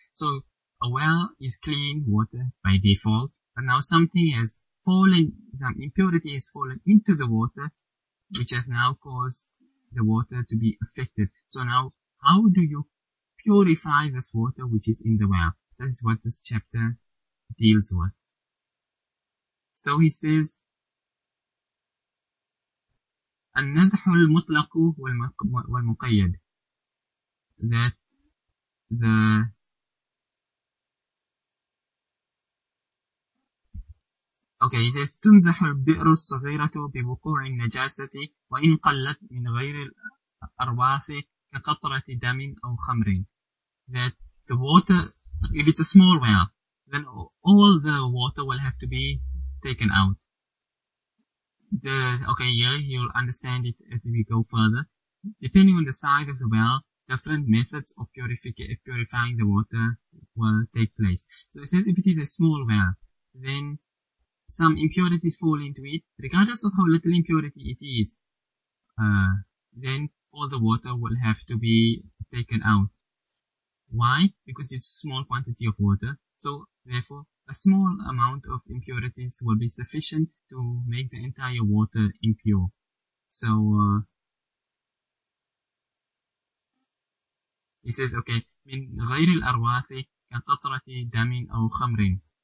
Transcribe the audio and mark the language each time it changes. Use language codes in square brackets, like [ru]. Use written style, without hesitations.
[en] So, a well is clean water by default, but now something has fallen, some impurity has fallen into the water, which has now caused the water to be affected. So now, how do you purify this water which is in the well? This is what this chapter deals with. So he says, [ar] النزح المطلق والمقيد, [en] that the okay, it says, [ar] تمزح البئر الصغيرة ببقوع النجاسة وإن قلت من غير الأرواث كقطرة دم أو خمر. [en] That the water, if it's a small well, then all the water will have to be taken out. Okay, yeah, you'll understand it as we go further. Depending on the size of the well, different methods of purifying the water will take place. So it says, if it is a small well, then some impurities fall into it, regardless of how little impurity it is, then all the water will have to be taken out. Why? Because it's a small quantity of water, so therefore a small amount of impurities will be sufficient to make the entire water impure. So, he says, okay, [ar] من غير الأرواث كقطرة دم أو خمر.